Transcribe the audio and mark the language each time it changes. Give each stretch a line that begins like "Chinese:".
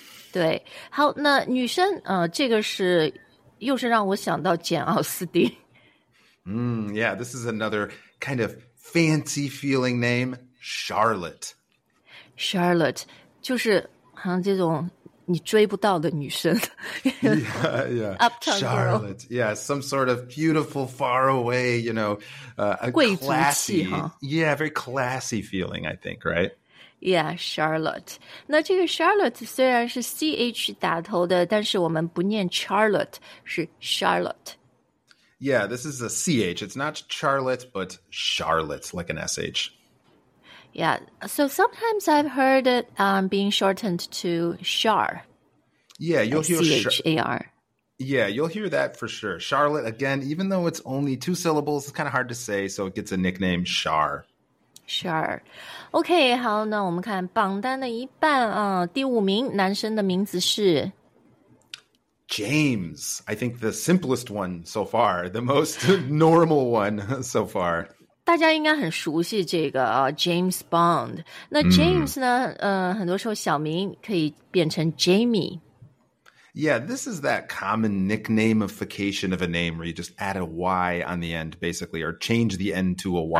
Chinese: 对，好，那女生，这个是又是让我想到简奥斯丁。
English: Yeah, this is another kind of fancy feeling name, Charlotte.
Chinese: Charlotte, 就是好像这种你追不到的女生。
English: yeah, yeah. Uptown Charlotte, girl. Yeah, some sort of beautiful, far away, you know, a
Chinese: 贵族
English: 气, classy, huh? Yeah, very classy feeling, I think, right? Yeah,
Chinese: Charlotte. 那这个 Charlotte 虽然是 CH 打头的，但是我们不念 Charlotte, 是 Charlotte.
English: Yeah, this is a CH. It's not Charlotte, but Charlotte, like an SH. Yeah, so sometimes I've heard it being shortened to Char. Yeah, you'll hear C-H-A-R. Yeah, you'll hear that for sure. Charlotte, again, even though it's only two syllables, it's kind of hard to say, so it gets a nickname, Char. Sure.
Chinese: Okay, 好，那我们看榜单的一半啊，第五名男生的名字是
English: James. I think the simplest one so far, the most normal one so far.
Chinese: 大家应该很熟悉这个啊 ，James Bond. 那 James 呢？很多时候小名可以变成 Jamie.
English: Yeah, this is that common nicknameification of a name where you just add a Y on the end, basically, or change the end to a Y.